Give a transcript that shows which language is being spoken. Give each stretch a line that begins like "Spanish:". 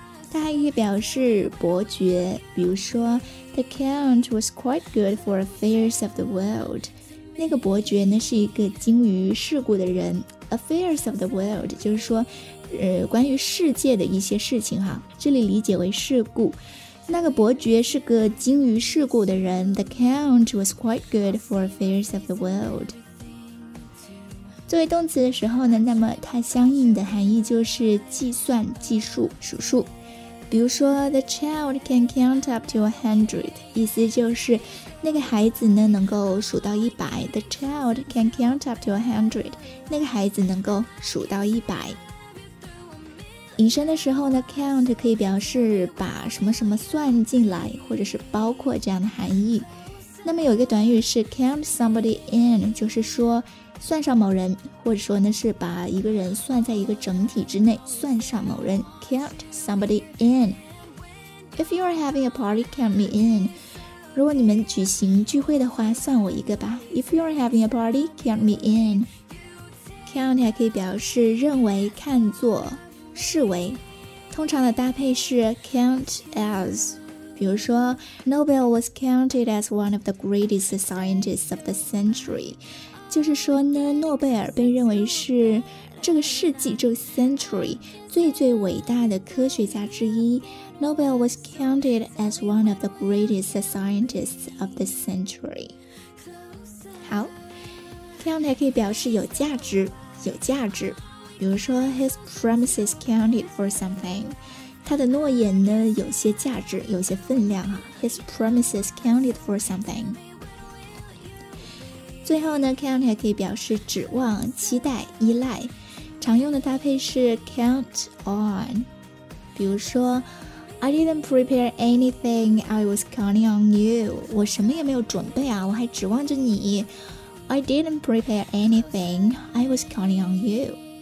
Chinese: 它还可以表示伯爵，比如说
English: The Count was quite good for affairs of the world，
Chinese: 那个伯爵呢是一个精于世故的人。
English: Affairs of the world
Chinese: 就是说关于世界的一些事情哈，这里理解为世故。那个伯爵是个精于世故的人。
English: The Count was quite good for affairs of the world.
Chinese: 作为动词的时候呢，那么它相应的含义就是计算、计数、数数。比如说
English: The child can count up to 100,
Chinese: 意思就是那个孩子呢能够数到一百。
English: The child can count up to 100,
Chinese: 那个孩子能够数到一百。引申的时候呢 count 可以表示把什么什么算进来或者是包括这样的含义。那么有一个短语是
English: count somebody in,
Chinese: 就是说算上某人，或者说呢是把一个人算在一个整体之内，算上某人， count somebody in.
English: If you are having a party, count me in.
Chinese: 如果你们举行聚会的话，算我一个吧。
English: If you are having a party, count me in.
Chinese: Count 还可以表示认为、看作、视为，通常的搭配是 count as。比如说
English: Nobel was counted as one of the greatest scientists of the century，
Chinese: 就是说呢，诺贝尔被认为是这个世纪，这个 century 最最伟大的科学家之一。
English: Nobel was counted as one of the greatest scientists of the century.
Chinese: 好， count 还可以表示有价值，有价值。比如说
English: his promises counted for something，
Chinese: 他的诺言呢有些价值，有些分量啊。
English: his promises counted for something。
Chinese: 最后呢 count 还可以表示指望、期待、依赖，常用的搭配是 count on。
English: 比如说 I didn't prepare anything, I was counting on you.
Chinese: 我什么也没有准备啊，我还指望着你。
English: I didn't prepare anything, I was counting on you.